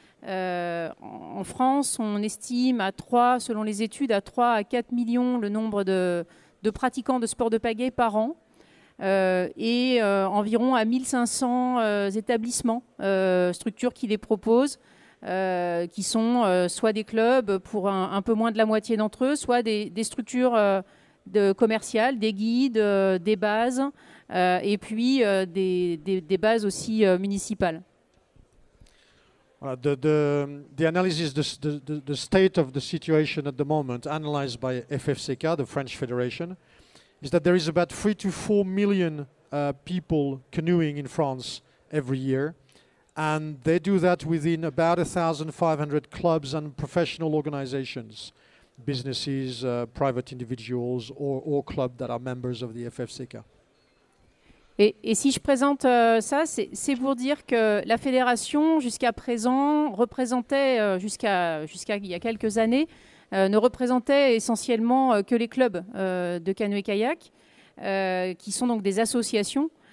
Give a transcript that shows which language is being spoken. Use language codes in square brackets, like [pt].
[fr] En France, on estime selon les études, à 3 à 4 millions le nombre de pratiquants de sports de pagaie par an et environ à 1500 établissements, structures qui les proposent. Qui sont soit des clubs pour un peu moins de la moitié d'entre eux, soit des structures de commercial, des guides, des bases, et puis des bases aussi municipales. [en] Voilà, the analysis, the state of the situation at the moment, analyzed by FFCK, the French Federation, is that there is about 3 to 4 million people canoeing in France every year, And they do that within about 1,500 clubs and professional organizations, businesses, private individuals, or clubs that are members of the FFCK. [fr] Et si je présente ça, c'est pour dire que la fédération, jusqu'à présent, représentait, jusqu'à il y a quelques années, ne représentait essentiellement que les clubs de canoë-kayak, qui sont donc des associations.